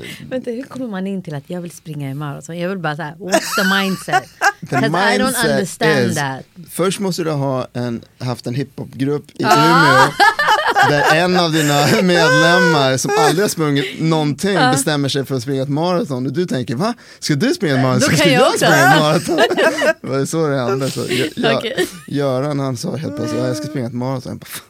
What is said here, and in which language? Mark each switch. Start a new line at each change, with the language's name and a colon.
Swedish: Vänta, hur kommer man in till att jag vill springa i maraton? Jag vill bara säga,
English: what's the mindset? Because I don't understand that.
Swedish: Först måste du ha haft en hiphopgrupp i Umeå. Där en av dina medlemmar som aldrig har sprungit någonting bestämmer sig för att springa ett maraton. Och du tänker, va? Ska du springa ett maraton? Då kan jag springa ett maraton. Det var så det hände. Så Göran, han sa helt plötsligt, jag ska springa ett maraton.